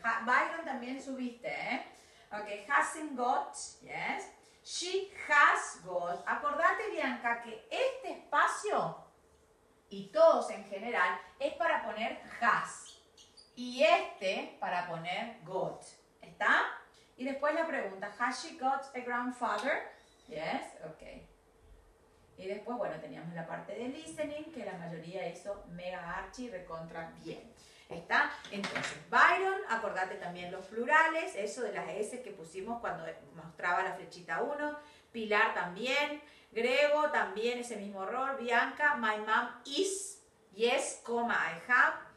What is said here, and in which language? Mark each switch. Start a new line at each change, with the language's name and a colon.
Spanish: Byron también subiste, ¿eh?
English: Ok, hasn't got, yes. She has got.
Spanish: Acordate, Bianca, que este espacio y todos en general es para poner has. Y este para poner got. ¿Está? Y después la pregunta,
English: has she got a grandfather? Yes, ok.
Spanish: Y después, bueno, teníamos la parte de listening, que la mayoría hizo mega archi recontra bien. ¿Está? Entonces, Byron, acordate también los plurales, eso de las S que pusimos cuando mostraba la flechita 1. Pilar también, Grego también, ese mismo error. Bianca,
English: my mom is, yes, comma, I have.